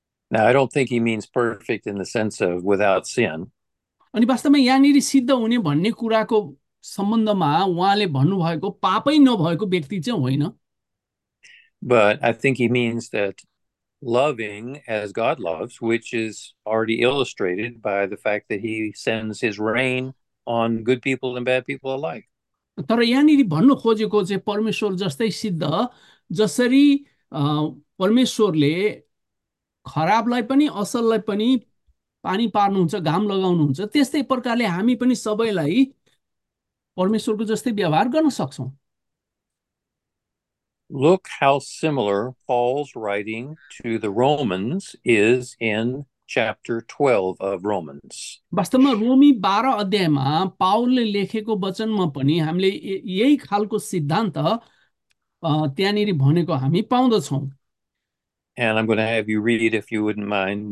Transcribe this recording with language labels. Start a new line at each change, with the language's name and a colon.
English: Now, I don't think he means perfect in the sense of without sin.
Nepali: अनि वास्तवमा यहाँनिर सिद्ध हुने भन्ने कुराको सम्बन्धमा उहाँले भन्नुभएको पापै नभएको व्यक्ति चाहिँ होइन।
English: But I think he means that loving as God loves, which is already illustrated by the fact that he sends his rain on good people and bad people alike.
Nepali: तर यहाँनिर भन्नु खोजेको चाहिँ परमेश्वर जस्तै सिद्ध, जसरी परमेश्वरले खराबलाई पनि असललाई पनि पानी पार्नुहुन्छ, घाम लगाउनुहुन्छ, त्यस्तै प्रकारले हामी पनि सबैलाई परमेश्वरको जस्तै व्यवहार गर्न सक्छौँ।
English: Look how similar Paul's writing to the Romans is in chapter 12 of Romans.
Nepali: वास्तवमा रोमी 12 अध्यायमा पाउलले लेखेको वचनमा पनि हामीले यही खालको सिद्धान्त त्यहाँनिर भनेको हामी पाउँदछौँ।
English: And I'm going to have you read it if you wouldn't mind.